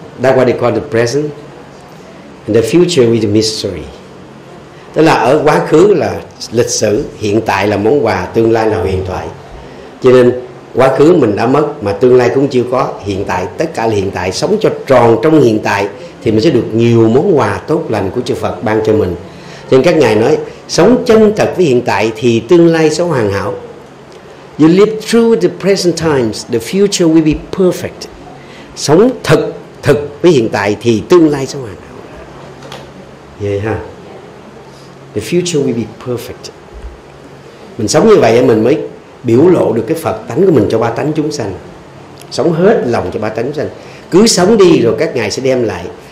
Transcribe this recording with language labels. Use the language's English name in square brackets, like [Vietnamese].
[English] That's what they call the present. And the future is the mystery. [Vietnamese] Tức là ở quá khứ là lịch sử, hiện tại là món quà, tương lai là huyền thoại. Cho nên quá khứ mình đã mất mà tương lai cũng chưa có. Hiện tại, tất cả là hiện tại. Sống cho tròn trong hiện tại thì mình sẽ được nhiều món quà tốt lành của chư Phật ban cho mình. Cho nên các ngài nói sống chân thật với hiện tại thì tương lai sẽ hoàn hảo. [English] You live through the present times, the future will be perfect. [Vietnamese] Sống thật thực với hiện tại thì tương lai sẽ hoàn hảo. Vậy ha. [English] The future will be perfect. [Vietnamese] Mình sống như vậy mình mới biểu lộ được cái Phật tánh của mình cho ba tánh chúng sanh. Sống hết lòng cho ba tánh chúng sanh. Cứ sống đi rồi các ngài sẽ đem lại.